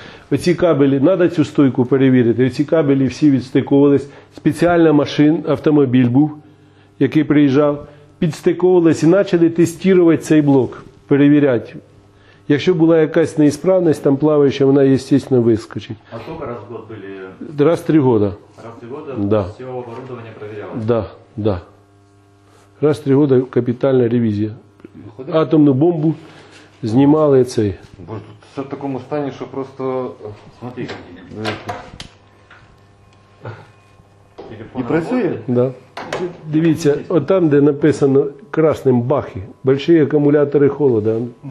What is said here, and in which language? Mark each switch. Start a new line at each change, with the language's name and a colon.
Ukrainian: Оці кабелі, треба цю стойку перевірити, оці кабелі всі відстиковувались. Спеціальна машина, автомобіль був, який приїжджав, підстиковувалися і почали тестувати цей блок, перевіряти. Якщо була якась неісправність, там плаваюча, вона, звісно, вискочить. А скільки раз в год були?
Russian: Раз в три года. Раз в три года, да. Все оборудование проверялось? Да, да. Раз в три года капитальная ревизия.
Ukrainian: Ходи? Атомную бомбу знімали цей. Боже, тут все в такому стані, що просто...
Russian: Смотри,
Ukrainian: не працює?
Russian: Да.
Ukrainian: Дивіться, от там, де написано красним бахи, великі акумулятори холода, угу.